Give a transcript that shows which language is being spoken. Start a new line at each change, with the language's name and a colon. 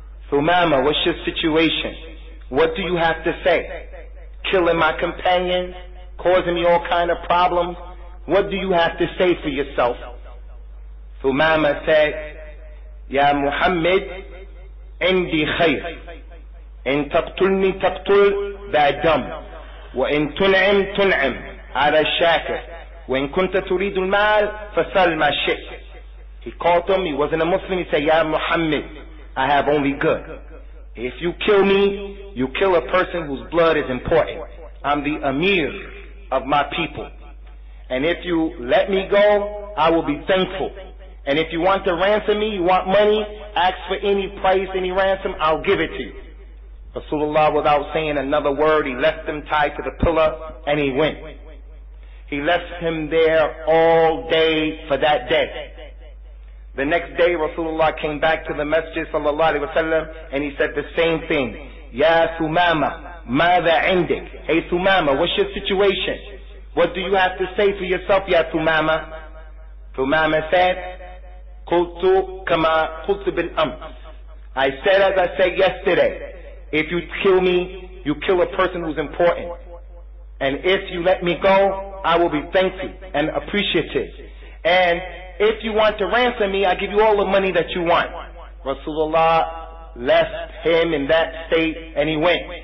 English: Thumama, what's your situation? What do you have to say? Killing my companions, causing me all kind of problems. What do you have to say for yourself? Thumama said, "Ya Muhammad,
Arabic: عندي خير. إن تقتلني تقتل بعدم. وإن تنعم تنعم على الشاكر. وإن كنت تريد المال فسل ما شئت."
English: He called him, he wasn't a Muslim, he said, "Ya Muhammad, I have only good. If you kill me, you kill a person whose blood is important. I'm the Amir of my people. And if you let me go, I will be thankful. And if you want to ransom me, you want money, ask for any price, any ransom, I'll give it to you." Rasulullah, without saying another word, he left them tied to the pillar and he went. He left him there all day for that day. The next day Rasulullah came back to the masjid sallallahu alayhi wa sallam and he said the same thing. "Ya Thumama,
Arabic: ماذا عندك?"
English: "Hey Thumama, what's your situation? What do you have to say for yourself, Ya Thumama?" Thumama said,
Arabic: "قلت كما قلت بالأمس."
English: "I said as I said yesterday, if you kill me, you kill a person who's important. And if you let me go, I will be thankful and appreciative. And if you want to ransom me, I give you all the money that you want." Rasulullah left him in that state and he went.